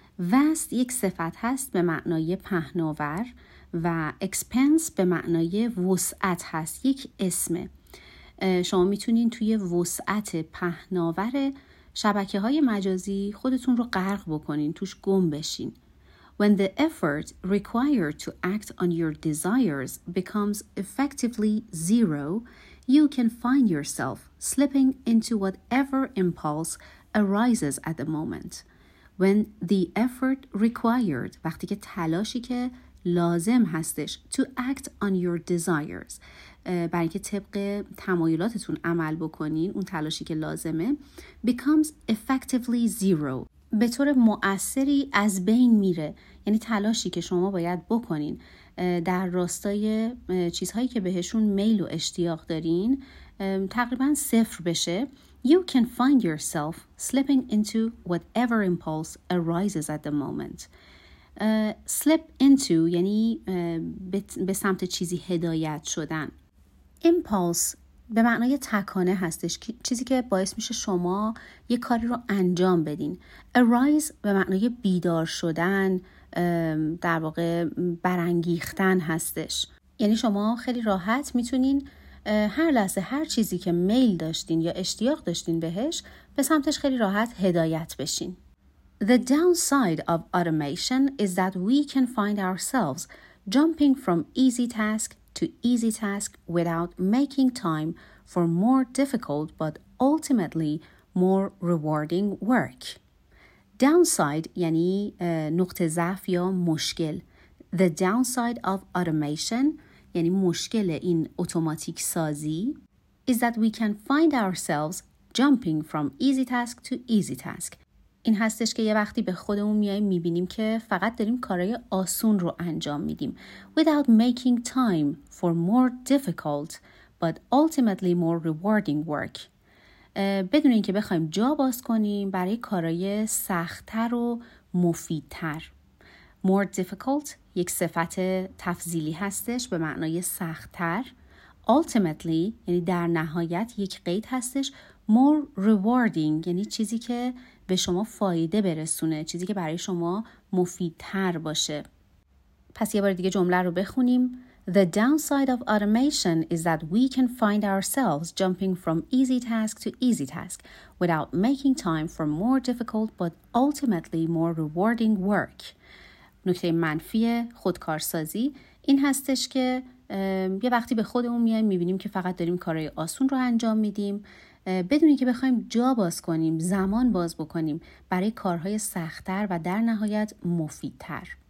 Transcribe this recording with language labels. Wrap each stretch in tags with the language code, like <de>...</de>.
<fa>Vast یک صفت هست به معنای پهناور و expanse به معنای وسعت هست، یک اسم. شما میتونین توی وسعت پهناور شبکه‌های مجازی خودتون رو غرق بکنین، توش گم بشین.</fa> <en>When the effort required to act on your desires becomes effectively zero, you can find yourself slipping into whatever impulse arises at the moment. When the effort required,</en> <fa>وقتی که تلاشی که لازم هستش</fa> <en>to act on your desires,</en> <fa>برای که طبق تمایلاتتون عمل بکنین، اون تلاشی که لازمه,</fa> <en>becomes effectively zero.</en> <fa>به طور مؤثری از بین میره. یعنی تلاشی که شما باید بکنین در راستای چیزهایی که بهشون میل و اشتیاق دارین تقریبا صفر بشه.</fa> <en>You can find yourself slipping into whatever impulse arises at the moment.</en> <fa>Slip into یعنی به سمت چیزی هدایت شدن. Impulse به معنای تکانه هستش، چیزی که باعث میشه شما یه کاری رو انجام بدین. Arise به معنای بیدار شدن، در واقع برانگیختن هستش. یعنی شما خیلی راحت میتونین هر لحظه هر چیزی که میل داشتین یا اشتیاق داشتین بهش، به سمتش خیلی راحت هدایت بشین.</fa> <en>The downside of automation is that we can find ourselves jumping from easy task to easy task without making time for more difficult but ultimately more rewarding work.</en> <fa>Downside یعنی نقطه ضعف یا مشکل.</fa> <en>The downside of automation</en> <fa>یعنی مشکل این اتوماتیک سازی</fa> <en>is that we can find ourselves jumping from easy task to easy task.</en> <fa>این هستش که یه وقتی به خودمون میایم میبینیم که فقط داریم کارهای آسون رو انجام میدیم.</fa> <en>Without making time for more difficult but ultimately more rewarding work.</en> <fa>بدون این که بخوایم جا باز کنیم برای کارهای سخت‌تر و مفیدتر. More difficult یک صفت تفضیلی هستش به معنای سخت‌تر. Ultimately یعنی در نهایت یک قید هستش. More rewarding یعنی چیزی که به شما فایده برسونه، چیزی که برای شما مفیدتر باشه. پس یه بار دیگه جمله رو بخونیم.</fa> <en>The downside of automation is that we can find ourselves jumping from easy task to easy task without making time for more difficult but ultimately more rewarding work.</en> <fa>نکته منفی خودکارسازی این هستش که یه وقتی به خودمون میایم میبینیم که فقط داریم کارهای آسون رو انجام میدیم بدون این که بخوایم جا باز کنیم، زمان باز بکنیم برای کارهای سخت‌تر و در نهایت مفیدتر.</fa>